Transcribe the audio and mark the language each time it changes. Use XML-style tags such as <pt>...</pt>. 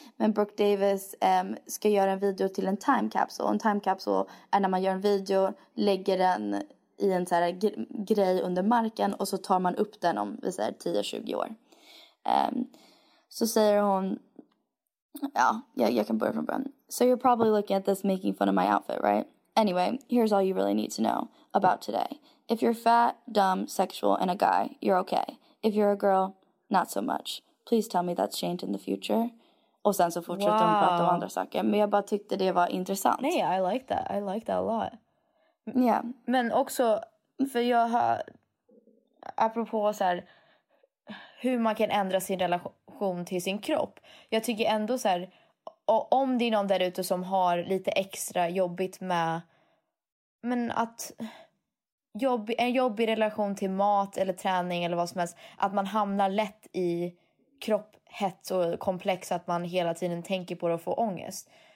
<sv>Men Brooke Davis ska göra en video till en time capsule. En time capsule är när man gör en video, lägger den i en så här grej under marken och så tar man upp den om 10-20 år. Så säger hon, ja, jag kan börja från början.</sv> <en>So you're probably looking at this making fun of my outfit, right? Anyway, here's all you really need to know about today. If you're fat, dumb, sexual, and a guy, you're okay. If you're a girl, not so much. Please tell me that's changed in the future.</en> <sv>Och sen så fortsätter hon prata om andra saker. Men jag bara tyckte det var intressant. Nej,</sv> <en>I like that. I like that a lot. Yeah.</en> <sv>Men också, för jag har, apropå så här, hur man kan ändra sin relation till sin kropp. Jag tycker ändå så här, och om det är någon där ute som har lite extra jobbigt med, men att en jobbig relation till mat eller träning eller vad som helst, att man hamnar lätt i kropphets och komplex, att man hela tiden tänker på det och får ångest.</sv>